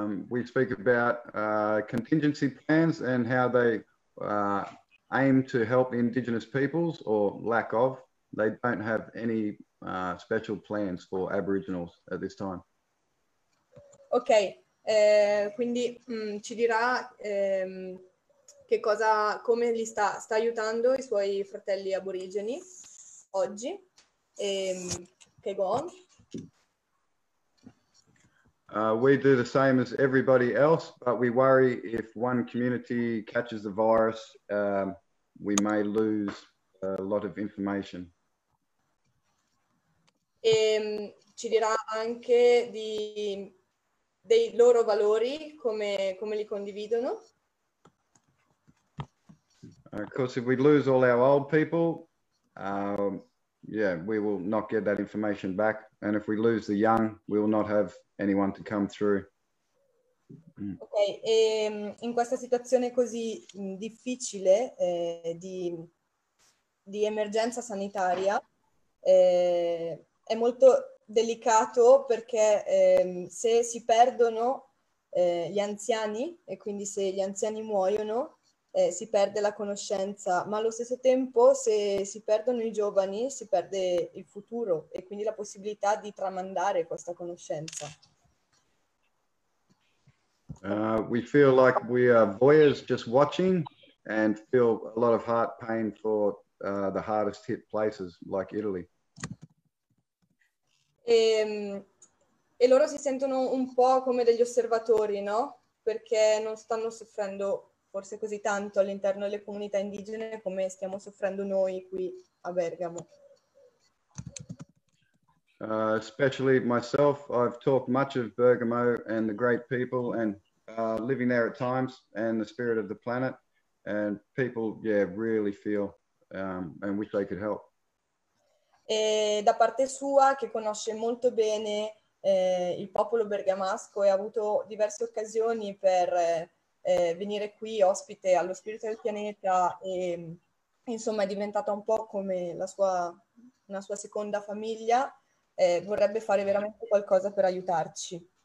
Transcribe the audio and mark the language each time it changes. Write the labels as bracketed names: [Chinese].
[English] We speak about contingency plans and how they aim to help indigenous peoples or lack of. They don't have any special plans for Aboriginals at this time. [Italian] Okay, quindi ci dirà che cosa, come li sta aiutando i suoi fratelli aborigeni oggi. [English] Okay, go on. We do the same as everybody else, but we worry if one community catches the virus, we may lose a lot of information. [Italian] Ci dirà anche di dei loro valori, come li condividono. [English] Of course, if we lose all our old people, yeah, we will not get that information back. And if we lose the young, we will not have anyone to come through. [Italian] Ok, in questa situazione così difficile di emergenza sanitaria, è molto delicato perché se si perdono gli anziani, e quindi se gli anziani muoiono, si perde la conoscenza, ma allo stesso tempo se si perdono i giovani si perde il futuro e quindi la possibilità di tramandare questa conoscenza. [English] We feel like we are voyeurs just watching and feel a lot of heart pain for the hardest hit places like Italy. [Italian] E loro si sentono un po' come degli osservatori, no? Perché non stanno soffrendo forse così tanto all'interno delle comunità indigene come stiamo soffrendo noi qui a Bergamo. [English] Especially myself, I've talked much of Bergamo and the great people and living there at times and the spirit of the planet and people, yeah, really feel and wish they could help. [Italian] E da parte sua, che conosce molto bene il popolo bergamasco e ha avuto diverse occasioni per venire qui ospite allo spirito del pianeta e insomma è diventata un po' come una sua seconda famiglia, vorrebbe fare veramente qualcosa per aiutarci.